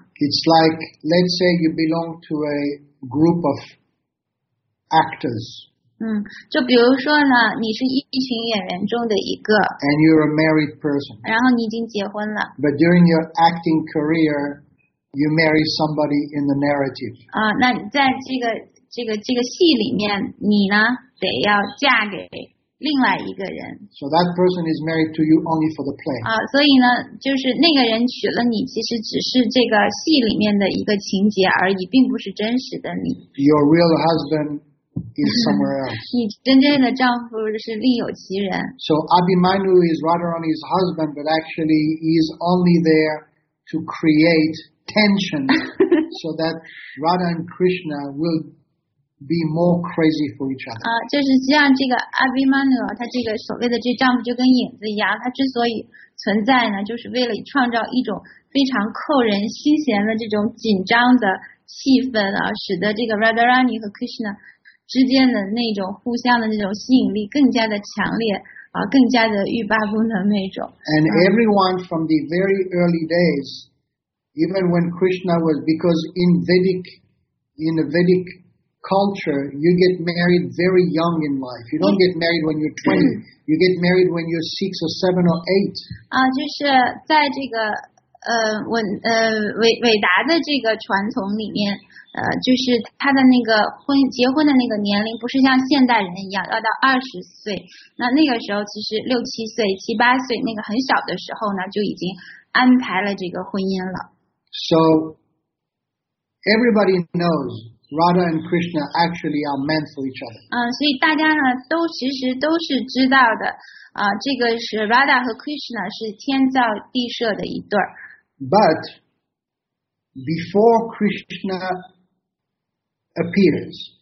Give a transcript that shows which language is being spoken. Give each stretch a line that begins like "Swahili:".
English: It's like, let's say you belong to a group of actors.
Chinese: 就比如说呢，你是一群演员中的一个。
English: And you're a married person.
Chinese: 然后你已经结婚了。
English: But during your acting career, you marry somebody in the narrative.
Chinese: 那你在这个戏里面，你呢得要嫁给另外一个人。
English: So that person is married to you only for the play.
Chinese: 所以呢，就是那个人娶了你，其实只是这个戏里面的一个情节而已，并不是真实的你。
English: Your real husband is somewhere else.
Chinese: 你真正的丈夫是另有其人。
English: So Abhimanyu is Radharani's husband, but actually he is only there to create tension so that Radha and Krishna will be more crazy for each other.
Chinese: 就是像这个 Abhimanyu， 他这个所谓的这丈夫就跟影子一样，他之所以存在呢，就是为了创造一种非常扣人心弦的这种紧张的气氛啊，使得这个 Radharani 和 Krishna 之间的那种互相的那种吸引力更加的强烈啊，更加的欲罢不能那种。
English: And everyone from the very early days, even when Krishna was, because in the Vedic culture, you get married very young in life. You don't get married when you're 20. You get married when you're 6 or 7 or 8.
Chinese: 就是在这个伟达的这个传统里面，就是他的那个结婚的那个年龄，不是像现代人一样要到20岁。那个时候其实6、7岁、7、8岁那个很小的时候呢，就已经安排了这个婚姻了。
English: So everybody knows. Radha and Krishna actually are meant for each other.
Chinese: 所以大家呢都其实都是知道的，这个是 Radha 和 Krishna 是天造地设的一对。
English: But before Krishna appears,